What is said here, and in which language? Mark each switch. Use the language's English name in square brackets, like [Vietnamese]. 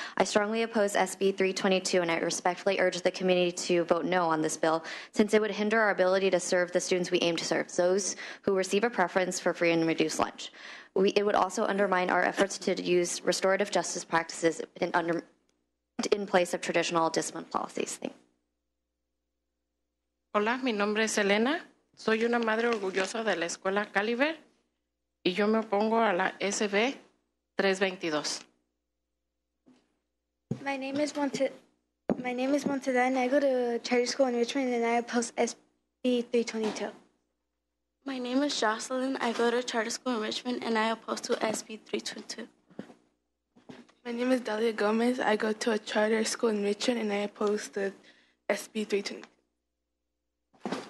[English] I strongly oppose SB 322, and I respectfully urge the community to vote no on this bill, since it would hinder our ability to serve the students we aim to serve, those who receive a preference for free and reduced lunch. It would also undermine our efforts to use restorative justice practices in place of traditional discipline policies. Thank you. [Spanish] Hola, mi nombre es Elena. Soy una madre orgullosa de la escuela Caliber y yo me opongo a la SB 322. [English] My name is Montada and I go to charter school in Richmond and I oppose SB 322. My name is Jocelyn. I go to charter school in Richmond and I oppose to SB 322. My name is Dahlia Gomez. I go to a charter school in Richmond and I oppose to SB 322.